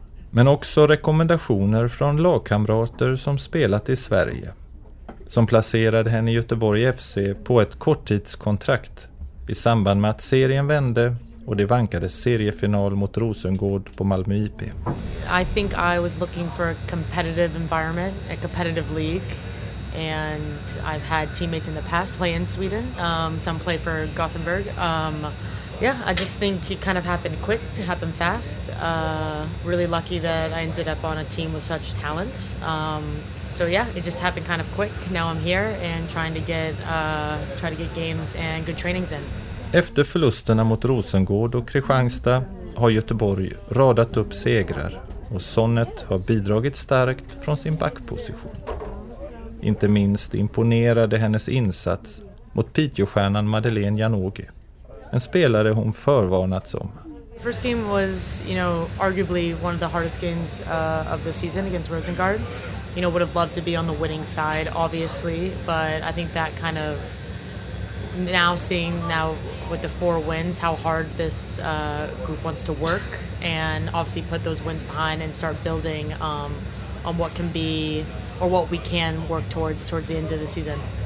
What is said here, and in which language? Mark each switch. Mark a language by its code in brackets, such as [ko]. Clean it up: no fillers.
[sv] Men också rekommendationer från lagkamrater som spelat i Sverige, som placerade henne i Göteborg FC på ett korttidskontrakt i samband med att serien vände och det vankade seriefinal mot Rosengård på Malmö IP. [en] I think I was looking for a competitive environment, a competitive league, and I've had teammates in the past play in Sweden, some play for Gothenburg. Yeah, I just think it kind of happened quick, it happened fast. Really lucky that I ended up on a team with such talent. So yeah, it just happened kind of quick. Now I'm here and trying to get try to get games and good trainings in. [sv] Efter förlusterna mot Rosengård och Kristianstad har Göteborg radat upp segrar och Sonnet har bidragit starkt från sin backposition. Inte minst imponerade hennes insats mot Piteå-stjärnan Madeleine Janogy. En spelare hon förvarnats om. [en] First game was, you know, arguably one of the hardest games of the season against Rosengård. You know, would have loved to be on the winning side, obviously, but I think that kind of now seeing now with the 4 wins how hard this group wants to work and obviously put those wins behind and start building on what can be or what we can work towards the end of the season.